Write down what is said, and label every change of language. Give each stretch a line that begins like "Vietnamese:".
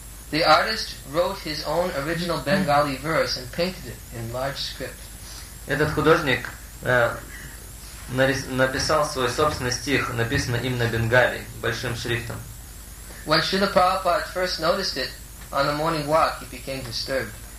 English: The artist wrote his own original Bengali verse and painted it in large script.
Russian: Этот художник написал свой собственный стих, написанный им на Бенгали, большим шрифтом.
English: When Srila Prabhupada first noticed it on the morning walk, he became disturbed.